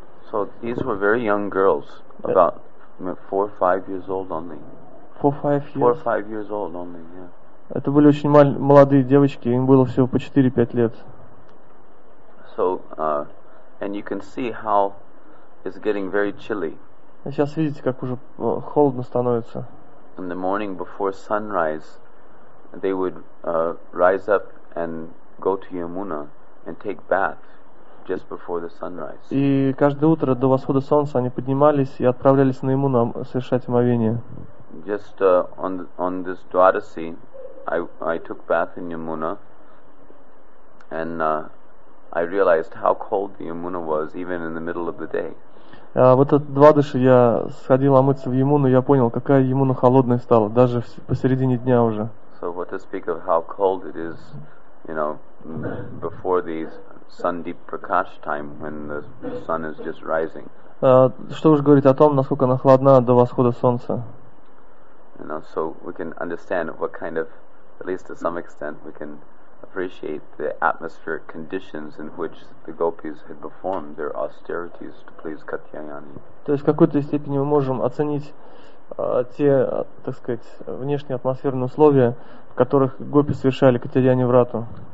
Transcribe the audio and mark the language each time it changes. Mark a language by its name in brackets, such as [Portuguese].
[English] So these were very young girls, about 4-5 years old only. 4-5 years old only, yeah. [Russian] Это были очень молодые девочки, им было всего по 4-5 лет. [English] So, and you can see how it's getting very chilly. [Russian] Сейчас видите, как уже холодно становится. [English] In the morning before sunrise, they would rise up and go to Yamuna and take bath just before the sunrise. [Russian] И каждое утро до восхода солнца они поднимались и отправлялись на Ямуну совершать омовение. [English] Just on this Dwadasi, I took bath in Yamuna and I realized how cold the Yamuna was even in the middle of the day. [Russian] В этот Двадаши я сходил омыться в Ямуну, я понял, какая Ямуна холодная стала, даже посередине дня уже. [English] So what to speak of how cold it is, you know, before the Sandeep Prakash time when the sun is just rising. [Russian] Что уж говорить о том, насколько она холодна до восхода солнца. [English] You know, so we can understand what kind of, at least to some extent, we can appreciate the atmospheric conditions in which the gopis had performed their austerities to please Katyayani. [Russian] То есть в какой-то степени мы можем оценить те, так сказать, внешние атмосферные условия, в которых гопи совершали Катьяяни Врату.